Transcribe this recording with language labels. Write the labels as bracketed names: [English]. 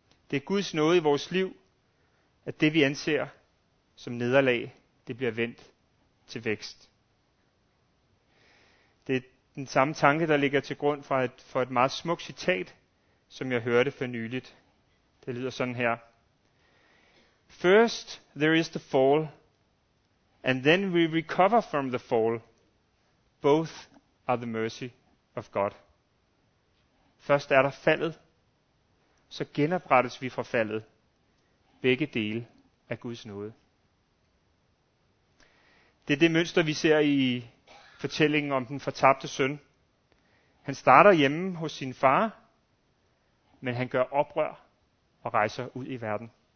[Danish] Det er Guds nåde i vores liv, at det vi anser som nederlag, det bliver vendt til vækst. Det er den samme tanke, der ligger til grund for et meget smukt citat, som jeg hørte for nyligt. Det lyder sådan her. [English] First there is the fall, and then we recover from the fall. Both are the mercy of God. [Danish] Først er der faldet, så genoprettes vi fra faldet. Begge dele er Guds nåde. Det er det mønster, vi ser i fortællingen om den fortabte søn. Han starter hjemme hos sin far, men han gør oprør og rejser ud i verden.